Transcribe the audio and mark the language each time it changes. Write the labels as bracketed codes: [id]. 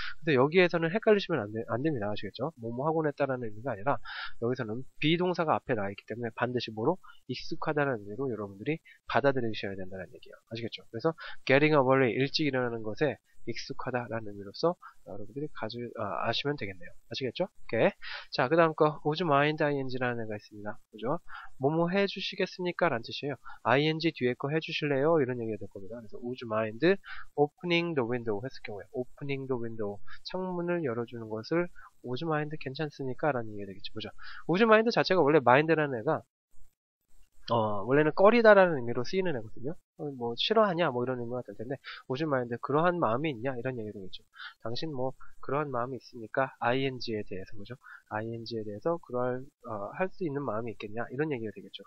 [ko] 근데 여기에서는 헷갈리시면 안 됩니다. 아시겠죠? 뭐뭐 하곤 했다라는 의미가 아니라 여기서는 be 동사가 앞에 나와 있기 때문에 반드시 뭐로 익숙하다는 의미로 여러분들이 받아들이셔야 된다는 얘기예요. 아시겠죠? 그래서 [en] getting up early [ko] 일찍 일어나는 것에 익숙하다라는 의미로써 여러분들이 아시면 되겠네요. 아시겠죠? 오케이. 자, 그 다음 거 [en] would you mind ing [ko] 라는 애가 있습니다. 그죠? 뭐뭐 해주시겠습니까라는 뜻이에요. ing 뒤에 거 해주실래요? 이런 얘기가 될 겁니다. 그래서 [en] would you mind opening the window [ko] 했을 경우에 [en] opening the window [ko] 창문을 열어주는 것을 [en] would you mind [ko] 괜찮습니까라는 얘기가 되겠죠. 그죠? [en] would you mind [ko] 자체가 원래 mind라는 애가 원래는 꺼리다라는 의미로 쓰이는 애거든요. 뭐 싫어하냐 뭐 이런 의미가 될 텐데 [en] would you mind [ko] 그러한 마음이 있냐 이런 얘기도 있죠. 당신 뭐 그러한 마음이 있습니까? ing에 대해서, 그죠? ing에 대해서 그럴 할수 있는 마음이 있겠냐 이런 얘기가 되겠죠.